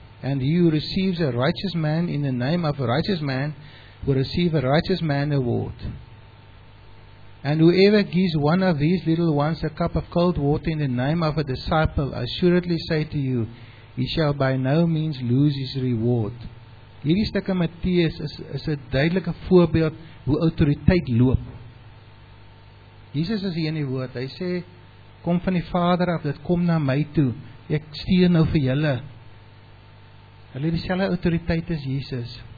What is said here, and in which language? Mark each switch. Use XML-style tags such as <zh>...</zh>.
<en>And he who receives a righteous man in the name of a righteous man, will receive a righteous man award. And whoever gives one of these little ones a cup of cold water in the name of a disciple, assuredly say to you, he shall by no means lose his reward.</en> <af>Hierdie stukke Matteus is 'n duidelike voorbeeld hoe autoriteit loop. Jesus is hier in die woord, hy sê, kom van die Vader af, dit kom na my toe, ek stuur nou vir julle. Hulle het dieselfde autoriteit as Jesus.</af>